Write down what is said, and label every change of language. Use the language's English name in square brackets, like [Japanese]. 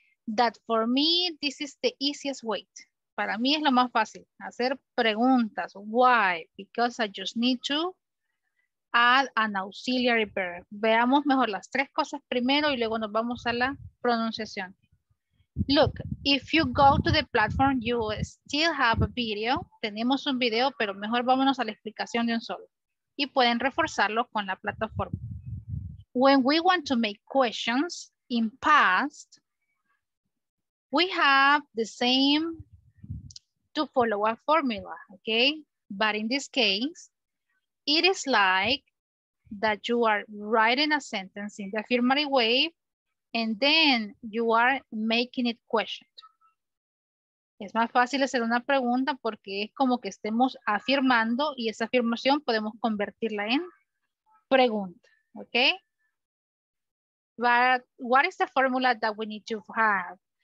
[English] That for me, this is the easiest way. [Spanish] Para mí es lo más fácil, hacer preguntas. [English] Why? Because I just need to add an auxiliary verb. [Spanish] Veamos mejor las tres cosas primero y luego nos vamos a la pronunciación. [English] Look, if you go to the platform, you still have a video. [Spanish] Tenemos un video, pero mejor vámonos a la explicación de un solo. Y pueden reforzarlo con la plataforma. [English] When we want to make questions in past, we have the same to follow a formula, okay? But in this case, it is like that you are writing a sentence in the affirmative way, and then you are making it question. [Spanish] Es más fácil hacer una pregunta porque es como que estemos afirmando y esa afirmación podemos convertirla en pregunta, okay? [English] But what is the formula that we need to have?